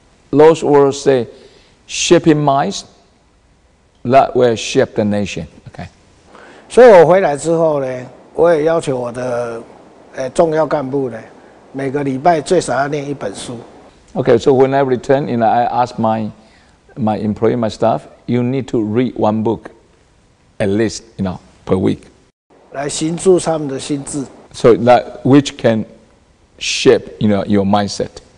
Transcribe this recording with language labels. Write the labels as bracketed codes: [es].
[en] those words say, shaping minds that will shape the nation. Okay. [zh] 所以我回来之后呢，我也要求我的重要干部呢，每个礼拜最少要念一本书。 [en] Okay, so when I return, you know, I ask my employee, my staff, you need to read one book, at least, you know. Per week. [zh] 来行塑他们的心智. [en] So that which can shape, you know, your mindset.